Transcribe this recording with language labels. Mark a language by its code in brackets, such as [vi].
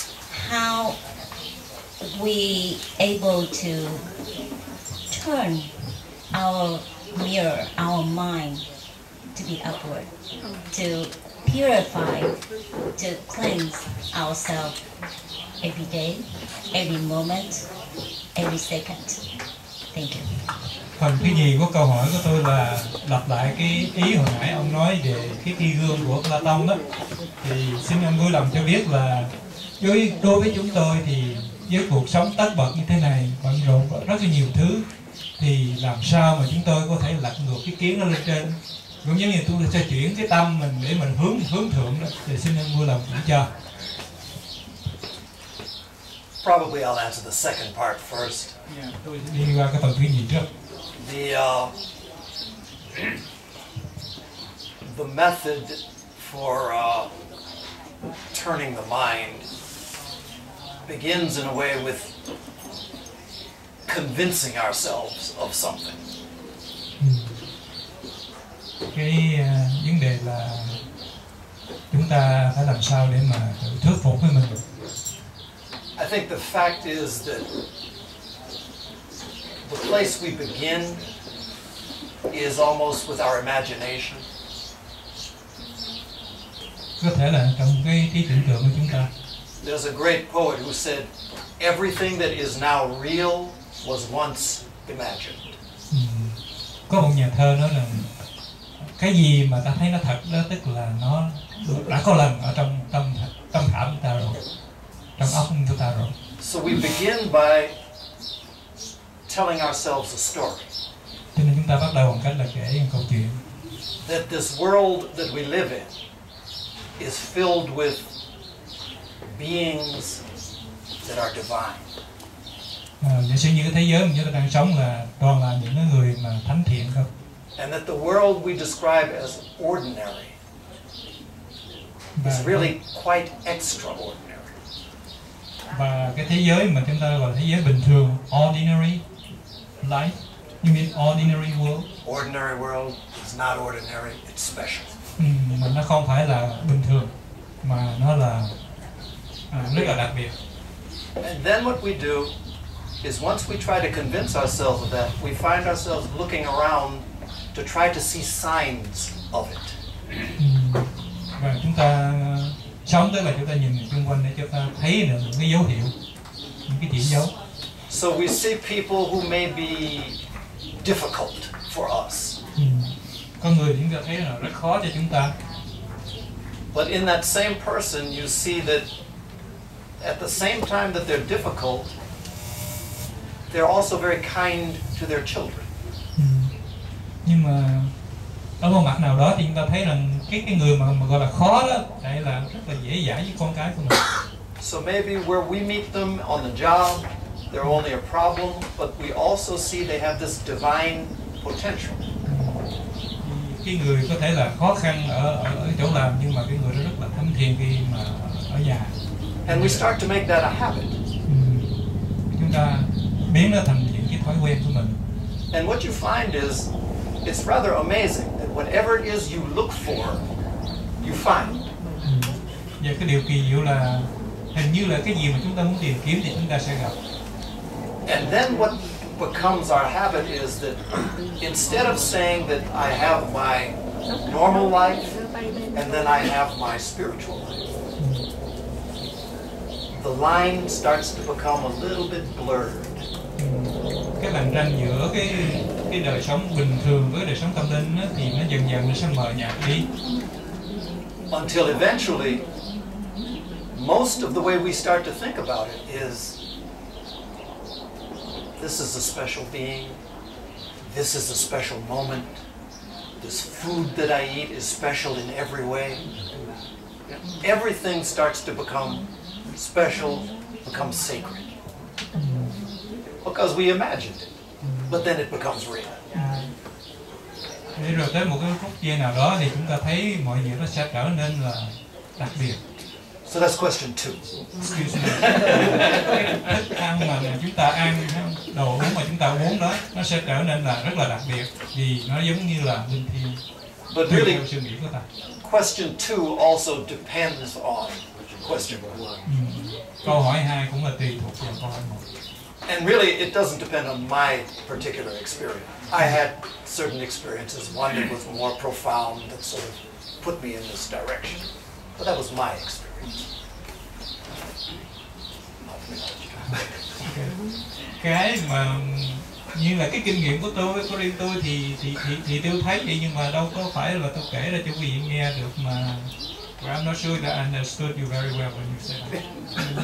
[en] How we able to turn our mirror, our mind to be upward, to purify, to cleanse ourselves every day, every moment, every second. Thank you. [vi] Phần cái gì của câu hỏi của tôi là lặp lại cái ý hồi nãy ông nói về cái kỳ gương của Plato đó. Thì xin ông vui lòng cho biết là đối với chúng tôi thì với cuộc sống tất bật như thế này, bận rộn rất là nhiều thứ, thì làm sao mà chúng tôi có thể lật ngược cái kiến lên trên, cũng giống như tôi sẽ chuyển cái tâm mình để mình hướng thượng đó. Thì xin ông vui lòng chỉ cho. [en] Probably I'll answer the second part first. [vi] Yeah, tôi đi qua cái phần thứ nhì trước. [en] The method for turning the mind begins in a way with convincing ourselves of something. [vi] Cái vấn đề là chúng ta phải làm sao để mà thuyết phục với mình. [en] I think the fact is that the place we begin is almost with our imagination. [vi] Có thể là trong cái trí tưởng tượng của chúng ta. [en] There's a great poet who said, "Everything that is now real was once imagined." [vi] Có một nhà thơ nói rằng cái gì mà ta thấy nó thật đó, tức là nó đã có lần ở trong tâm khảm ta rồi, trong óc chúng ta rồi. [en] So we begin by telling ourselves a story. [vi] Cho nên chúng ta bắt đầu bằng cách là kể một câu chuyện. [en] That this world that we live in is filled with beings that are divine. [vi] Giả sử như cái thế giới mà chúng ta đang sống là toàn là những người mà thánh thiện không? [en] and that the world we describe as ordinary is really quite extraordinary. [vi] Và cái thế giới mà chúng ta gọi là thế giới bình thường, [en] ordinary life, you mean ordinary world? Ordinary world is not ordinary, it's special. [vi] Mà nó không phải là bình thường, mà nó là rất là đặc biệt. [en] And then what we do is once we try to convince ourselves of that, we find ourselves looking around to try to see signs of it. [vi] Và chúng ta sống tức là chúng ta nhìn xung quanh để chúng ta thấy được những cái dấu hiệu, những cái chỉ dấu. [en] So we see people who may be difficult for us. [vi] Con người chúng ta thấy là rất khó cho chúng ta. [en] But in that same person, you see that at the same time that they're difficult, they're also very kind to their children. [vi] Nhưng mà ở một mặt nào đó thì chúng ta thấy rằng cái người mà gọi là khó đó lại là rất là dễ dãi với con cái của mình. [en] So maybe where we meet them on the job, they're only a problem, but we also see they have this divine potential. [vi] Cái người có thể là khó khăn ở chỗ làm, nhưng mà cái người đó rất là thánh thiện khi mà ở nhà. [en] And we start to make that a habit. [vi] Chúng ta biến nó thành những cái thói quen của mình. [en] And what you find is, it's rather amazing that whatever it is you look for, you find. [vi] Và cái điều kỳ diệu là hình như là cái gì mà chúng ta muốn tìm kiếm thì chúng ta sẽ gặp. [en] And then what becomes our habit is that instead of saying that I have my normal life and then I have my spiritual life, the line starts to become a little bit blurred. [vi] Cái lằn ranh giữa cái đời sống bình thường với đời sống tâm linh đó, thì nó dần dần nó sẽ mờ nhạt đi. [en] Until eventually, most of the way we start to think about it is, this is a special being, this is a special moment, this food that I eat is special in every way. Everything starts to become special, becomes sacred. Because we imagined it, but then it becomes real. [vi] Thế rồi tới một cái khúc kia nào đó thì chúng ta thấy mọi việc nó sẽ trở nên là đặc biệt. [en] So that's question two. Excuse me. [vi] Thức ăn mà chúng ta ăn, đồ uống mà chúng ta uống đó, nó sẽ trở nên là rất là đặc biệt vì nó giống như là linh thiêng. [en] But really, question two also depends on question one. [vi] Câu hỏi hai cũng là tùy thuộc vào câu hỏi một. [en] And really, it doesn't depend on my particular experience. I had certain experiences, one that was more profound, that sort of put me in this direction. But that was my experience. [vi] Cái mà như là cái kinh nghiệm của tôi với riêng tôi thì tôi thấy vậy, nhưng mà đâu có phải là tôi kể ra cho quý vị nghe được mà. [en] Well, I'm not sure that I understood you very well when you said that.